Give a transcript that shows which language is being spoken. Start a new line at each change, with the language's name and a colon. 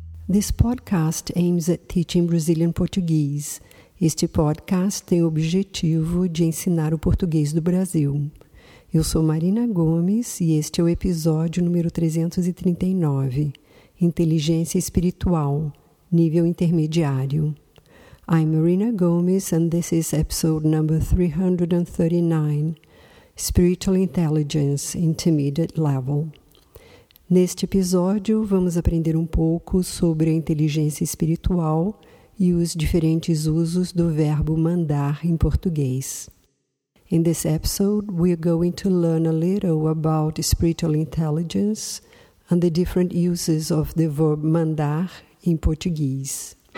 English: This podcast aims at teaching Brazilian Portuguese.
Portuguese: Este podcast tem o objetivo de ensinar o português do Brasil. Eu sou Marina Gomes e este é o episódio número 339, Inteligência Espiritual, Nível Intermediário.
English: I'm Marina Gomes and this is episode number 339, Spiritual Intelligence, Intermediate Level.
Portuguese: Neste episódio, vamos aprender um pouco sobre a inteligência espiritual e os diferentes usos do verbo mandar em português.
English: In this episode, we are going to learn a little about spiritual intelligence and the different uses of the verb mandar in Portuguese.